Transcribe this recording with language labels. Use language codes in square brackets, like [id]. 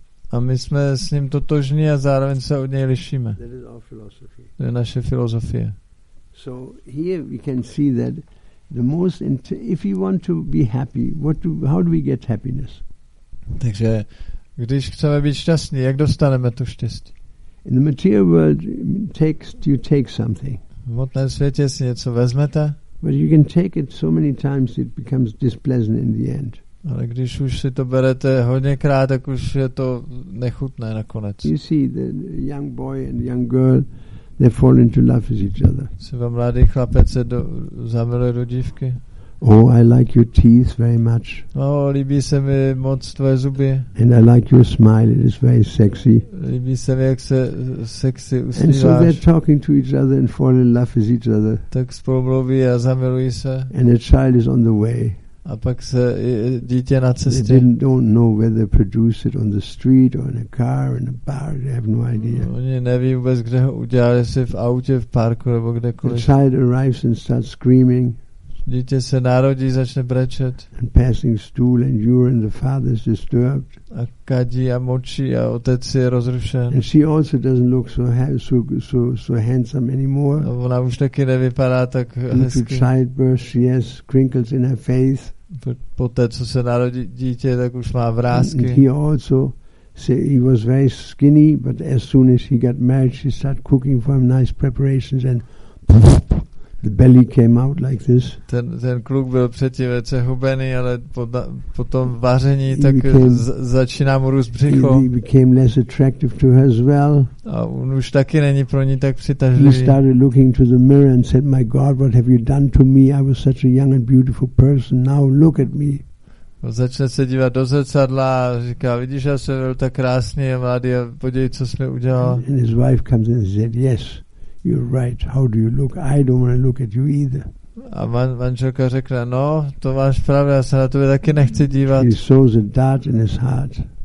[cs] A my jsme s ním totožní a zároveň se od něj lišíme. To je naše filozofie. [en] So here we can see that the most if you want to be happy, how do we get happiness? [cs] Takže když chceme být šťastní, jak dostaneme to štěstí? [en] In the material world you take something. [cs] V hmotném světě si něco vezmete. [en] But you can take it so many times it becomes displeasant in the end. [cs] Ale když už si to berete hodněkrát, tak už je to nechutné nakonec. [en] You see the young boy and young girl, they fall into love with each other. [cs] Třeba mladý chlapec se zamiluje do dívky. [en] Oh, I like your teeth very much. [cs] No, líbí se mi moc tvoje zuby. [en] And I like your smile, it is very sexy. [cs] Líbí se mi, jak se sexy usmíváš. [en] And so they're talking to each other and fall in love with each other. [cs] Tak spolu mluví a zamilují se. [en] And a child is on the way. [cs] A pak se dítě na cestě. [en] They don't know whether they produce it on the street or in a car or in a bar. They have no idea. [cs] Oni neví vůbec, kde ho udělali, jestli v autě, v parku nebo kdekoliv. [en] The child arrives and starts screaming. [cs] Dítě se narodí, začne brečet. [en] And passing stool and urine, the father is disturbed. [cs] A kadí a močí a otec je rozrušen. [en] And she also doesn't look so handsome anymore. [cs] A ona už taky nevypadá tak hezky. [en] Due to childbirth, she has crinkles in her face. [cs] Poté, co se narodí dítě, tak už má vrásky. [en] And he also he was very skinny, but as soon as he got married, she started cooking for him nice preparations, and the belly came out like this. [cs] Ten kluk byl předtím velice hubený, ale po tom vaření tak začíná mu růst břicho. [en] He became less attractive to her as well. [cs] A on už taky není pro ní tak přitažlivý. [en] He started looking to the mirror and said, "My God, what have you done to me? I was such a young and beautiful person. Now look at me." [cs] Začne se dívat do zrcadla a říká, vidíš, já jsem byl tak krásný a mladý a podívej, co jsi mi udělal. [en] And his wife comes in and said, "Yes, you're right. How do you look? I don't want to look at you either." [cs] A manželka řekne, no, to máš pravdu, já se na tebe taky nechci dívat. [en] She throws a dart in his heart.